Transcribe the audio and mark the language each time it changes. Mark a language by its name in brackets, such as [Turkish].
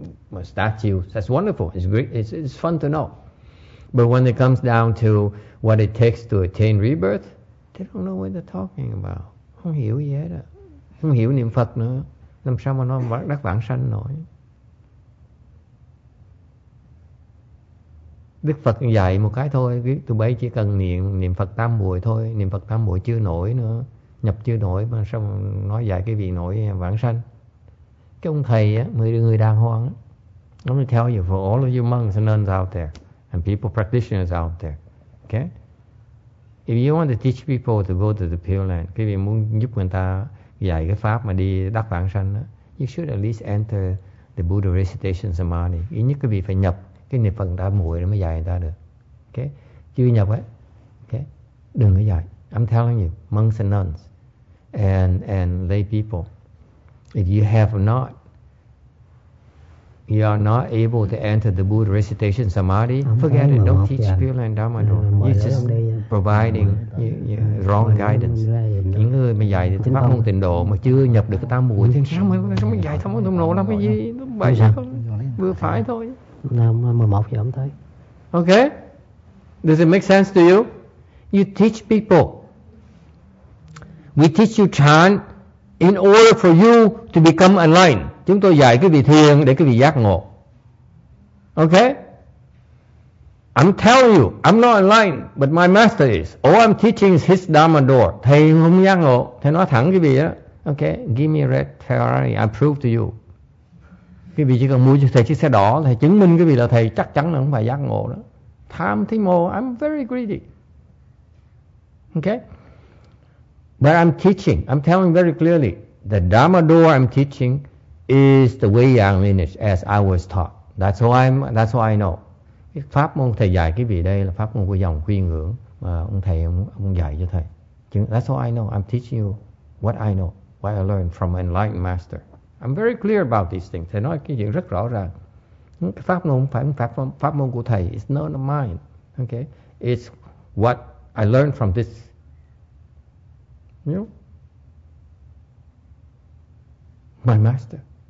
[English] My statue, that's wonderful, it's great, it's fun to know. But when it comes down to what it takes to attain rebirth, they don't know what they're talking about. [Vietnamese] Không hiểu gì hết à. Không hiểu niệm Phật nữa, làm sao mà nó đắc vãng sanh nổi. Đức Phật dạy một cái thôi, tụi bây chỉ cần niệm Phật tam muội thôi, niệm Phật tam muội chưa nổi nữa, nhập chưa nổi mà sao mà nói dạy cái vị nổi vãng sanh. Cái ông thầy á, người đàng hoàng á, ông [English] tell you for all of you monks and nuns out there and people practitioners out there, okay, if you want to teach people to go to the Pure Land, [Vietnamese] cái vị muốn giúp người ta dạy cái pháp mà đi đắc vãng sanh á, [English] you should at least enter the Buddha recitation samadhi. [Vietnamese] Ý nhất cái vị phải nhập cái niệm Phật tam muội mới dạy người ta được. Okay, chưa nhập á, okay, đừng có dạy. [English] I'm telling you monks and nuns and lay people, if you have not, you are not able to enter the Buddha recitation samadhi, forget it. Don't teach Pure Land Dharma. You're just providing wrong guidance. [Vietnamese] Những người mà dạy pháp môn tịnh độ mà chưa nhập được cái tam muội thì sao mà dạy tam muội tịnh độ làm cái gì? Bài sao? Vừa phải thôi. Năm 11 giờ ông thấy. [English] Okay. Does it make sense to you? You teach people. We teach you chan in order for you to become enlightened. [Vietnamese] Chúng tôi dạy cái vị thiền để cái vị giác ngộ. [English] Okay? I'm telling you, I'm not enlightened, but my master is. All I'm teaching is his Dharma door. [Vietnamese] Thầy không giác ngộ. Thầy nói thẳng cái vị đó. [English] Okay, give me a red Ferrari, I prove to you. [Vietnamese] Quý vị chỉ cần mua cho thầy chiếc xe đỏ, thầy chứng minh quý vị là thầy chắc chắn là không phải giác ngộ đó. Tham thì mô, [English] I'm very greedy. Okay? But I'm teaching, I'm telling very clearly, the Dharma door I'm teaching is the way Yang lineage as I was taught. That's why I know. [Vietnamese] Cái pháp môn thầy dạy quý vị đây là pháp môn của dòng khuyên ngưỡng mà ông thầy ông dạy cho thầy. [English] That's why I know, I'm teaching you what I know, what I learned from an enlightened master. I'm very clear about these things. [Vietnamese] Thầy nói cái chuyện rất rõ ràng. Pháp môn phải pháp môn của thầy. [English] It's not mine. Okay? It's what I learned from this. You know? My master.